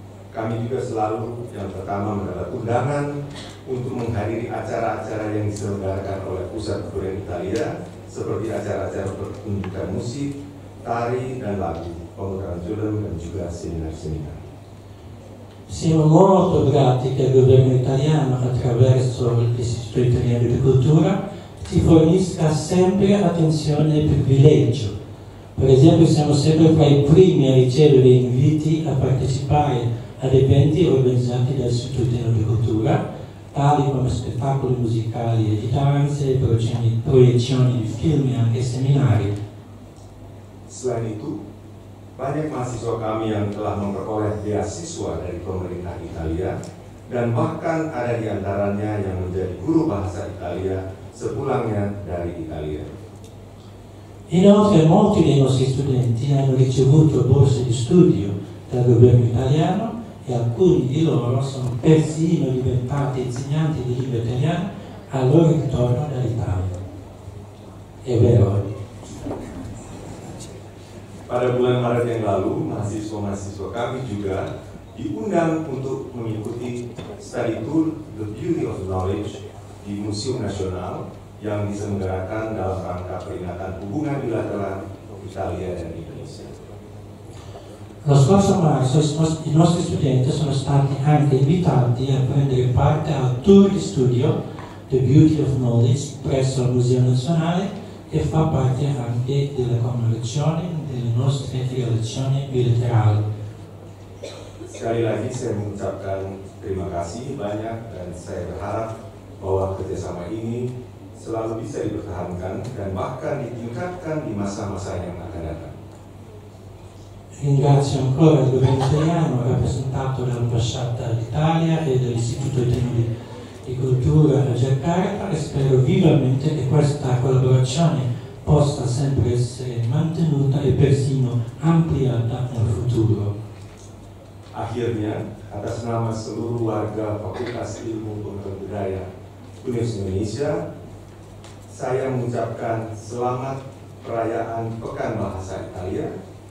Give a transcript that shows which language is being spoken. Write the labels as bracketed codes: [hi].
[id] Kami juga selalu yang pertama mendapat undangan untuk menghadiri acara-acara yang diselenggarakan oleh Pusat Kebudayaan Italia seperti acara-acara pertunjukan musik, tari, dan lagu, pemutaran film, dan juga seminar-seminar. [it] Siamo molto grati che il governo italiano, attraverso l'Istituto Italiano di Cultura, ci fornisca sempre attenzione e privilegio. Per esempio, siamo sempre tra i primi a ricevere inviti a partecipare ad eventi organizzati dall'Istituto Italiano di Cultura, tali come spettacoli musicali e di danze, proiezioni di film e anche seminari. [id] Selain itu, banyak mahasiswa kami yang telah memperoleh beasiswa dari pemerintah Italia dan bahkan ada di antaranya yang menjadi guru bahasa Italia sepulangnya dari Italia. [it] Inoltre, molti dei nostri studenti hanno ricevuto borse di studio dal governo italiano e alcuni di loro sono persino diventati insegnanti di lingua italiana al loro ritorno dall'Italia. È vero. [id] Pada bulan Maret yang lalu, mahasiswa-mahasiswa kami juga diundang untuk mengikuti study tour The Beauty of Knowledge di Museum Nasional yang diselenggarakan dalam rangka peringatan hubungan bilateral Italia dan Indonesia. [it] Lo scorso marzo, i nostri studenti sono stati anche invitati a prendere parte al tour di studio The Beauty of Knowledge presso il Museo Nazionale che fa parte anche della commemorazione delle nostre relazioni bilaterali. [id] Sekali lagi saya mengucapkan terima kasih banyak dan saya berharap bahwa kerjasama ini selalu bisa dipertahankan dan bahkan ditingkatkan di masa-masa yang akan datang. [it] Ringrazio ancora il governo italiano rappresentato dall'ambasciata d'Italia e dall'Istituto di Cultura a Giacarta e spero vivamente che questa collaborazione possa sempre essere mantenuta e persino ampliata nel futuro. [id] Akhirnya, atas nama seluruh warga Fakultas Ilmu Pengetahuan Budaya Universitas Indonesia, saya mengucapkan selamat perayaan Pekan Bahasa Italia.